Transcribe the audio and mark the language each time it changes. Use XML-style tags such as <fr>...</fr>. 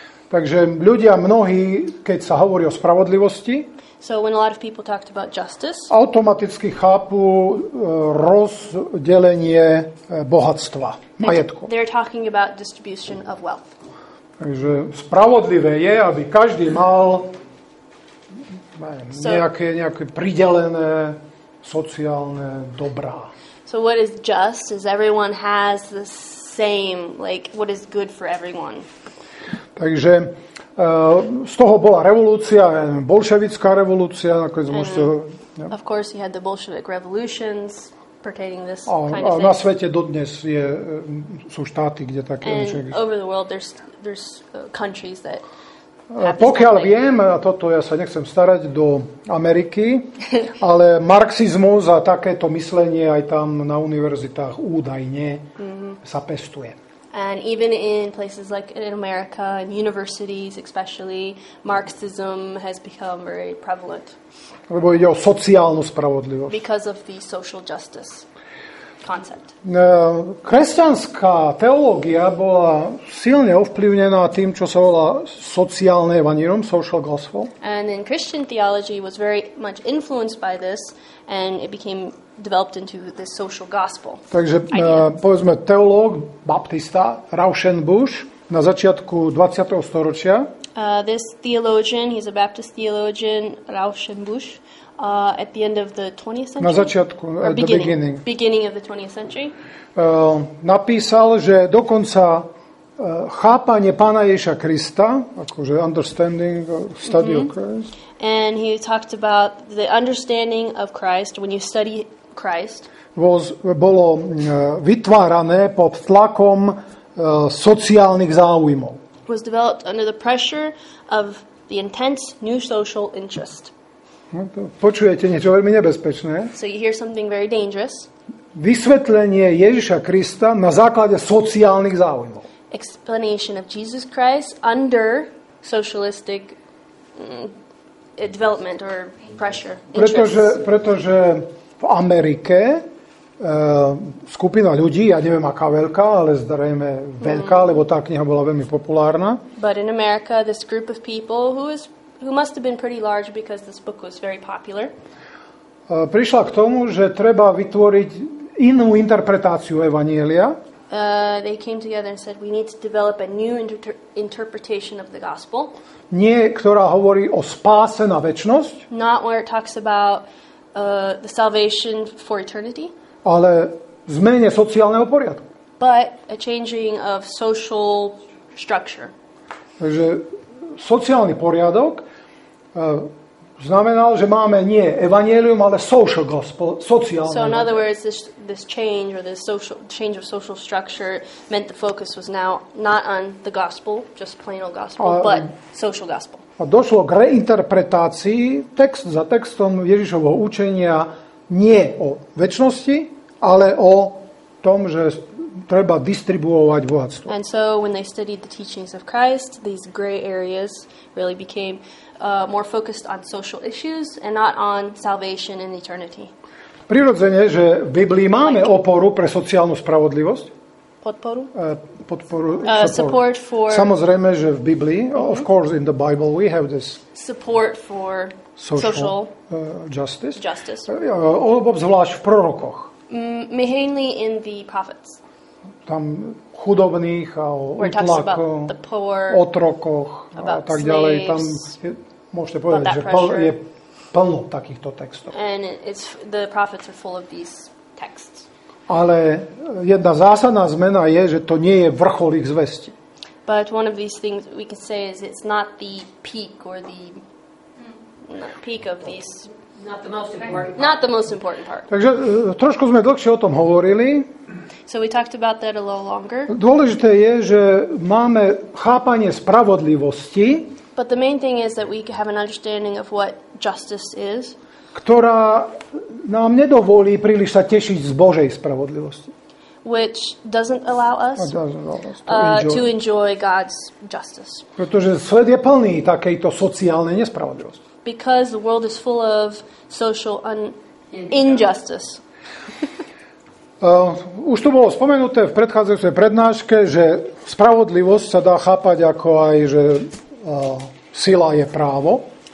<sk>Takže ľudia mnohí, keď sa hovorí o spravodlivosti,</sk> <en>so when a lot of people talked about justice,</en> <sk>automaticky chápu rozdelenie bohatstva, majetku.</sk> <en>They're talking about distribution of wealth.</en> <sk>Takže spravodlivé je, aby každý mal nejaké pridelené sociálne dobrá.</sk> <en>So what is just is everyone has the same, like what is good for everyone.</en> <sk>Takže z toho bola revolúcia, bolševická revolúcia, nakoniec môžete...</sk> <en>Of course you had the Bolshevik revolutions pertaining this kind of thing.</en> <sk>A na svete dodnes sú štáty, kde také...</sk> <en>And over the world there's countries that</en> <sk>Pokiaľ viem, a toto ja sa nechcem starať do Ameriky, ale marxizmus a takéto myslenie aj tam na univerzitách údajne sa pestuje.</sk> <en>And even in places like in America, in universities especially, Marxism has become very prevalent.</en> <sk>Lebo ide o sociálnu spravodlivosť.</sk> <en>Because of the social justice concept.</en> <sk>Kresťanská teológia bola silne ovplyvnená tým, čo sa volá sociálne evanjelium, social gospel.</sk> <en>And in Christian theology was very much influenced by this, and it became developed into the social gospel.</en> <sk>Takže povedzme teológ baptista Rauschenbusch na začiatku 20. storočia.</sk> <en>This theologian, he's a Baptist theologian, Rauschenbusch, at the end of the 20th century.</en> <sk>Na začiatku,</sk> <en>at the beginning. Beginning of the 20th century.</en> <sk>Napísal, že dokonca chápanie Pána Ježiša Krista, akože</sk> <en>understanding study of Christ. And he talked about the understanding of Christ when you study Christ.</en> <sk>Bolo vytvárané pod tlakom sociálnych záujmov.</sk> <en>Was developed under the pressure of the intense new social interest.</en> <sk>Počujete niečo veľmi nebezpečné?</sk> <en>So you hear something very dangerous.</en> <sk>Vysvetlenie Ježiša Krista na základe sociálnych záujmov.</sk> <en>Explanation of Jesus Christ under socialistic development or pressure.</en> <sk>Pretože v Amerike skupina ľudí, ja neviem aká veľká, ale zrejme veľká, lebo tá kniha bola veľmi populárna.</sk> <en>But in America this group of people who must have been pretty large because this book was very popular.</en> <sk>Prišla k tomu, že treba vytvoriť inú interpretáciu evanjelia.</sk> <en>They came together and said we need to develop a new interpretation of the gospel.</en> <sk>Nie, ktorá hovorí o spáse na večnosť.</sk> <en>Not where it talks about the salvation for eternity.</en> <sk>Ale zmene sociálneho poriadku.</sk> <en>But a changing of social structure.</en> <sk>Takže sociálny poriadok znamenal, že máme nie evanjelium, ale social gospel, sociálny.</sk> <en>So in other words, this change or this change of social structure meant the focus was now not on the gospel, just plain old gospel, but social gospel.</en> <sk>A došlo k reinterpretácii text za textom Ježišovho učenia nie o večnosti, ale o tom, že treba distribuovať bohatstvo.</sk> <en>And so when they studied the teachings of Christ, these gray areas really became more focused on social issues and not on salvation and eternity.</en> <sk>Prirodzene, že v Biblii máme oporu pre sociálnu spravodlivosť. Podporu?</sk> <en>Support for...</en> <sk>Samozrejme, že v Biblii,</sk> <en>of course in the Bible we have this... Support for social</en> <sk>justice. Obzvlášť v prorokoch.</sk> <en>Mainly in the prophets.</en> <sk>Tam chudobných a o utlakoch, otrokoch a tak ďalej. Tam môžete povedať, že je plno takýchto textov.</sk> <en>And it's, the prophets are full of these texts.</en> <sk>Ale jedna zásadná zmena je, že to nie je vrchol ich zvesti.</sk> <en>But one of these things we can say is it's not the peak or the peak of these. Not the most important part.</en> <sk>Takže trošku sme dlhšie o tom hovorili.</sk> <en>So we talked about that a little longer.</en> <sk>Dôležité je, že máme chápanie spravodlivosti.</sk> <en>But the main thing is that we have an understanding of what justice is.</en> <sk>Ktorá nám nedovolí príliš sa tešiť z Božej spravodlivosti.</sk> <en>Which doesn't allow us, to enjoy God's justice.</en> <sk>Pretože svet je plný takejto sociálnej nespravodlivosti.</sk> <en>Because the world is full of social injustice.</en> <sk>Už to bolo spomenuté v predchádzajúcej prednáške, že spravodlivosť sa dá chápať ako aj, že sila je právo.</sk>